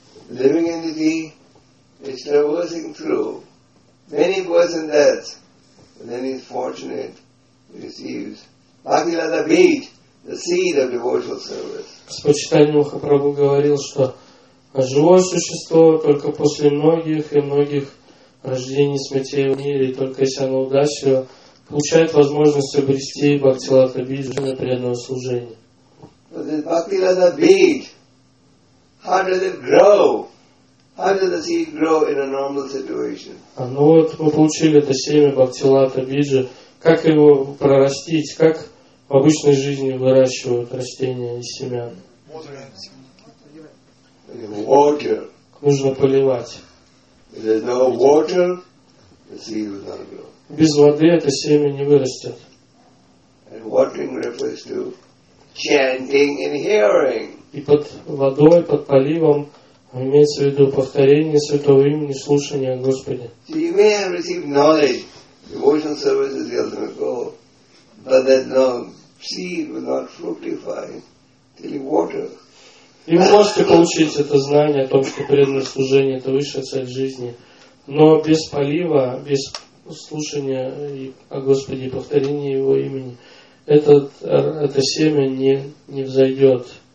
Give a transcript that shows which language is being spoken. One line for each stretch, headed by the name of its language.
English: Living entity is traversing through many births and deaths, and then he is fortunate, he receives Bhakti Lata Beej, the seed of devotional service.
Russian: Господь Махапрабху говорил, что живое существо только после многих и многих рождений смертей в мире, только если оно удачливо, получает возможность обрести Бхакти Лата Бидж на преданное служение.
English: But this Bhakti Lata Beej, how does it grow? How did the seed grow in a normal situation?
Russian: А ну вот мы получили это семя бхактилата биджа. Как его прорастить? Как в обычной жизни выращивают растения и семя?
English: Water.
Russian: Нужно поливать.
English: If there's no water, the seed will not grow.
Russian: Без воды это семя не вырастет.
English: And watering refers to chanting and hearing.
Russian: И под водой, под поливом имеется в виду повторение святого имени, слушание о Господе.
English: So you may have received knowledge, devotion service is the ultimate goal, but that no seed will not fructify till you water.
Russian: И вы можете получить это знание о том, что преданное служение – это высшая цель жизни. Но без полива, без слушания о Господе и повторения Его имени, это семя не взойдет.